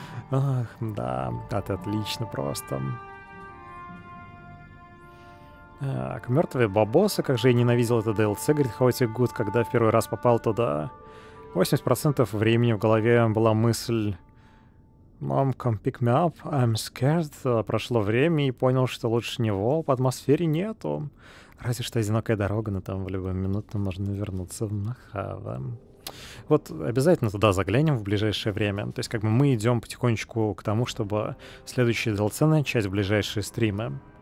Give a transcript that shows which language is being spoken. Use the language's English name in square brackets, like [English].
[Russian] Ах, да, это отлично просто. Так, мертвые бабосы, как же я ненавидел это DLC, говорит Хаотик Гуд, когда в первый раз попал туда. 80% времени в голове была мысль... [English] Mom, come pick me up, I'm scared. [Russian] Прошло время и понял, что лучше него по атмосфере нету. Разве что одинокая дорога, но там в любую минуту можно вернуться в Махава. Вот обязательно туда заглянем в ближайшее время. То есть как бы мы идем потихонечку к тому, чтобы следующая долгоценная часть в ближайшие стримы.